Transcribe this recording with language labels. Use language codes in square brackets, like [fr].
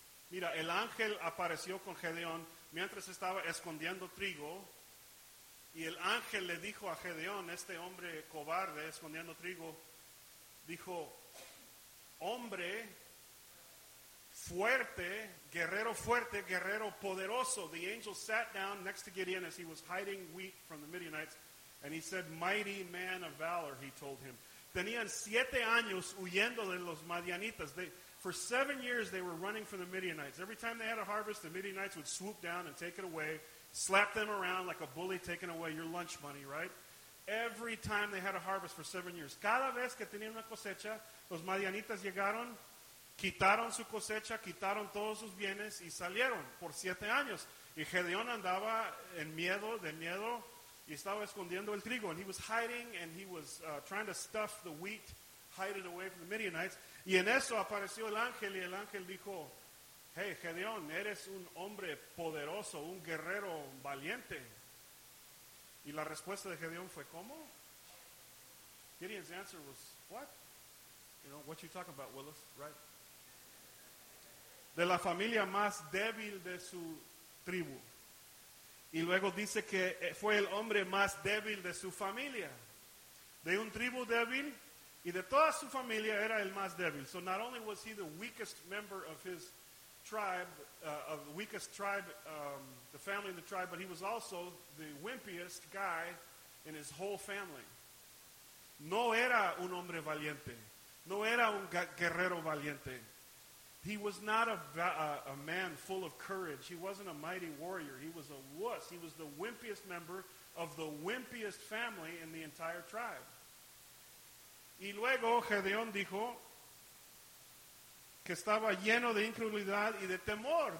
[es] Mira, el ángel apareció con Gedeón mientras estaba escondiendo trigo, y el ángel le dijo a Gedeón, este hombre cobarde escondiendo trigo, dijo, hombre fuerte, guerrero poderoso. [en] The angel sat down next to Gideon as he was hiding wheat from the Midianites, and he said, mighty man of valor, he told him. [es] Tenían 7 años huyendo de los Madianitas. [en] For 7 years, they were running from the Midianites. Every time they had a harvest, the Midianites would swoop down and take it away, slap them around like a bully taking away your lunch money, right? Every time they had a harvest for 7 years. [es] Cada vez que tenían una cosecha, los Madianitas llegaron, quitaron su cosecha, quitaron todos sus bienes y salieron por 7 años. Y Gedeón andaba en miedo, de miedo, y estaba escondiendo el trigo, [en] and he was hiding, and he was trying to stuff the wheat, hide it away from the Midianites. [es] Y en eso apareció el ángel, y el ángel dijo, Hey, Gedeón, eres un hombre poderoso, un guerrero valiente. Y la respuesta de Gedeón fue, ¿cómo? [en] Gideon's answer was, what? You know, what you talking about, Willis, right? [es] De la familia más débil de su tribu. Y luego dice que fue el hombre más débil de su familia. De un tribu débil, y de toda su familia era el más débil. [en] So not only was he the weakest member of his tribe, of the weakest tribe, the family in the tribe, but he was also the wimpiest guy in his whole family. [es] No era un hombre valiente. No era un guerrero valiente. [en] He was not a man full of courage. He wasn't a mighty warrior. He was a wuss. He was the wimpiest member of the wimpiest family in the entire tribe. [es] Y luego Gedeón dijo que estaba lleno de incredulidad y de temor.